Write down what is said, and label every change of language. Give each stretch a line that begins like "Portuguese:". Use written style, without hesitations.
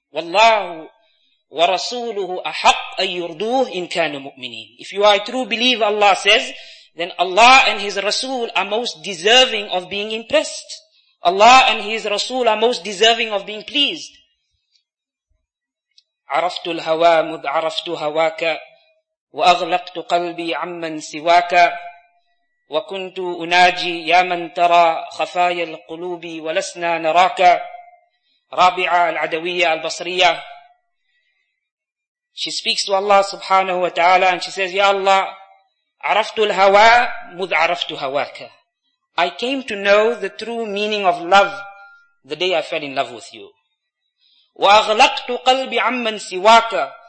Arabic: Wallahu wa rasuluhu ahaq an yurduh in kana mu'mineen.
English: If you are a true believer, Allah says, then Allah and His Rasul are most deserving of being impressed. Allah and His Rasul are most deserving of being pleased.
Arabic: عرفت الهوى مذ عرفت هواك وأغلقت قلبي عمن سواك وكنت أناجي يا من ترى خفايا القلوب ولسنا نراك. رابعة العدوية البصرية.
English: She speaks to Allah subhanahu wa ta'ala and she says, Ya Allah,
Arabic: عرفت الهوى مذ عرفت هواك.
English: I came to know the true meaning of love the day I fell in love with you.
Arabic: وَأَغْلَقْتُ قَلْبِ عَمَّنْ سِوَاكَ.